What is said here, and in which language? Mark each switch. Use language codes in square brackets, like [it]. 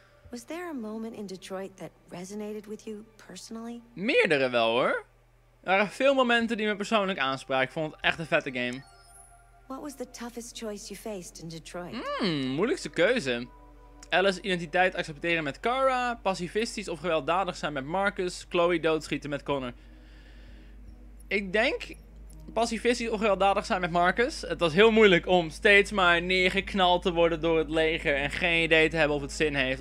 [en] Was there a moment in Detroit that resonated with you personally? [nl] Meerdere wel hoor. Er waren veel momenten die me persoonlijk aanspraken. Ik vond het echt een vette game. [en] What was the toughest choice you faced in Detroit? [nl] Moeilijkste keuze. Alice identiteit accepteren met Kara, pacifistisch of gewelddadig zijn met Marcus, Chloe doodschieten met Connor. Ik denk pacifistisch of gewelddadig zijn met Marcus. Het was heel moeilijk om steeds maar neergeknald te worden door het leger en geen idee te hebben of het zin heeft.